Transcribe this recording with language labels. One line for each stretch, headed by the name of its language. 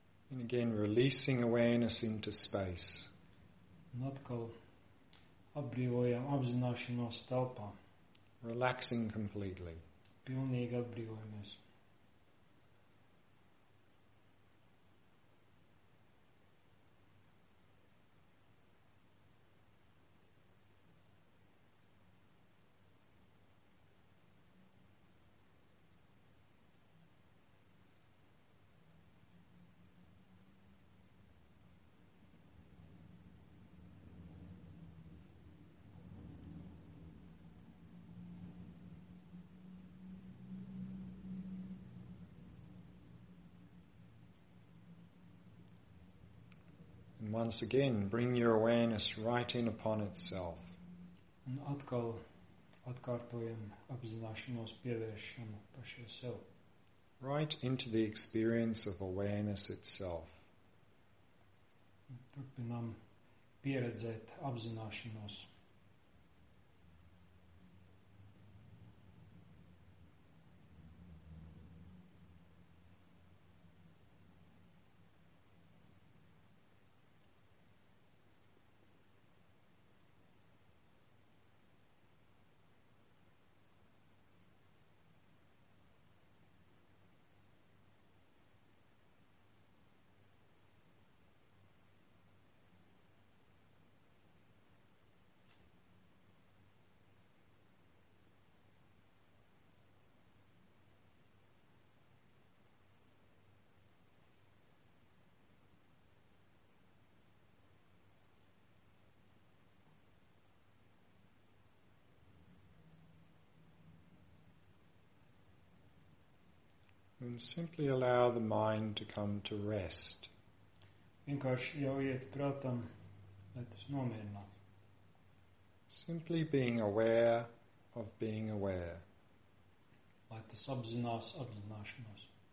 English: And again, releasing awareness into space.
Latvian: Atkal atbrīvojam apzināšanos telpā.
English: Relaxing completely.
Latvian: Pilnīgi atbrīvojamies.
English: Once again, bring your awareness right in upon itself.
Latvian: Un atkal atkārtojam apzināšanos pievēršanu pašai sev.
English: Right into the experience of awareness itself.
Latvian: Turpinam pieredzēt apzināšanos.
English: And simply allow the mind to come to rest.
Latvian: Vienkārši ļaujiet prātam, lai tas nomierinās.
English: Simply being aware of being aware.
Latvian: Lai tas apzinās apzināšanos.